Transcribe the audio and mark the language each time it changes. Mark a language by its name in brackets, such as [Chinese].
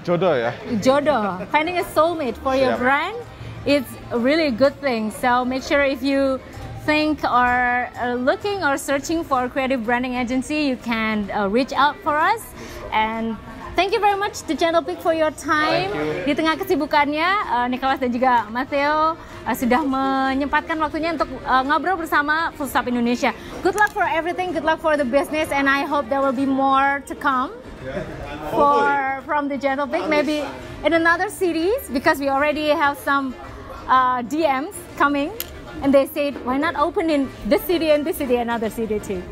[Indonesian] jodoh, [English] finding a soulmate for your brand. It's a really good thing. So make sure if you think or looking or searching for a creative branding agency, you can reach out for us. And thank you very much to Gentlepig for your time. Thank [Indonesian] you. Di tengah kesibukannya, Nicholas dan juga Matteo sudah menyempatkan waktunya untuk ngobrol bersama Full Stop Indonesia. [English] Good luck for everything, good luck for the business, and I hope there will be more to come from the Gentlepig, maybe in another series, because we already have some DMs coming, and they said, why not open in this city and this city, another city too.